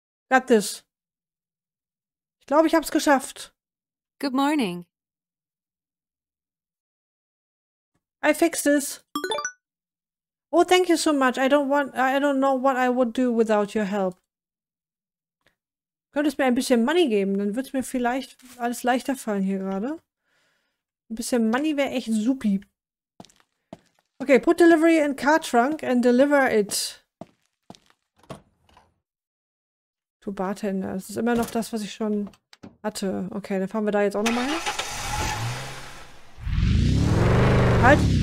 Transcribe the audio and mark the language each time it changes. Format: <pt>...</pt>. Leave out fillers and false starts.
<en>Got this.</en> <de>Ich glaube, ich hab's geschafft.</de> <en>Good morning. I fixed this. Oh, thank you so much. I don't know what I would do without your help.</en> <de>Könntest mir ein bisschen Money geben, dann wird's mir vielleicht alles leichter fallen hier gerade. Ein bisschen Money wäre echt supi.</de> <en>Okay, put delivery in car trunk and deliver it. Bartender.</en> <de>Das ist immer noch das, was ich schon hatte. Okay, dann fahren wir da jetzt auch nochmal hin. Halt!</de>